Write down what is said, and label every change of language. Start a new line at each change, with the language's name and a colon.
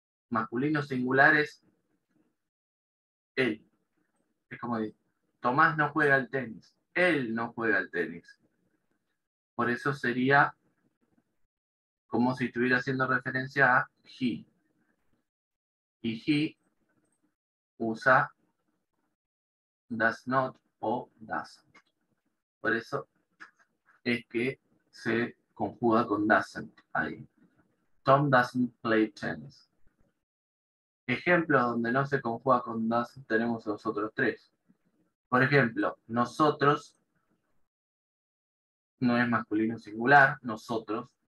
Spanish: Masculino singular es él. Es como decir, Tomás no juega al tenis, él no juega al tenis. Por eso sería como si estuviera haciendo referencia a he. Y he usa does not o doesn't. Por eso es que se conjuga con doesn't ahí.
English: Tom doesn't play tennis.
Spanish: Ejemplos donde no se conjuga con doesn't tenemos los otros tres. Por ejemplo, nosotros no es masculino singular, nosotros.